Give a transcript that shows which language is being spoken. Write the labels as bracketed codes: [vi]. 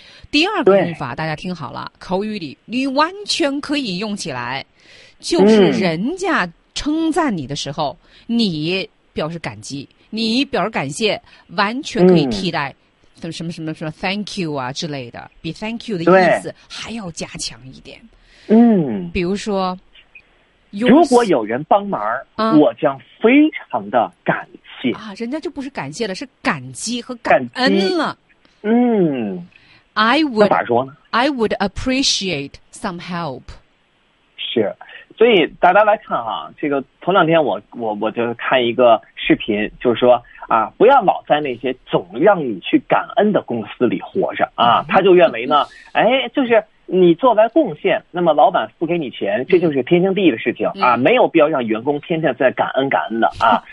[zh] 第二个用法大家听好了，口语里你完全可以用起来，就是人家称赞你的时候、你表示感激，你表示感谢，完全可以替代什么什么什么 thank you 啊之类的，比 thank you 的意思还要加强一点。比如说如果有人帮忙、我将非常的感谢啊，人家就不是感谢了，是感激和感恩了。嗯 [en] ，I would [zh] 那咋说呢 [en] ？I would appreciate some help。 [zh] 是，所以大家来看哈、这个头两天我就看一个视频，就是说啊，不要老在那些总让你去感恩的公司里活着啊，他就认为呢，哎，就是。你作为贡献，那么老板付给你钱，这就是天经地义的事情啊，没有必要让员工天天在感恩感恩的啊。